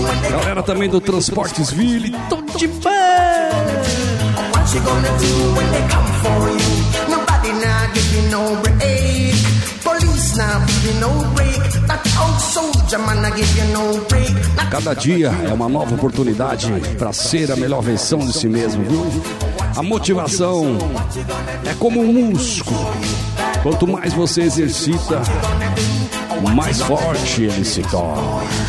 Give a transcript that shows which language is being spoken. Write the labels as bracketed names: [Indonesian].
[Portuguese] Galera também do Transportes Ville, tudo de pé. [English] What you gonna do when they come for you? Nobody now giving no break. Police now giving no break. That old soldier man now giving no break. [Portuguese] Cada dia é uma nova oportunidade para ser a melhor versão de si mesmo, viu? A motivação é como um músculo. Quanto mais você exercita, mais forte ele se torna.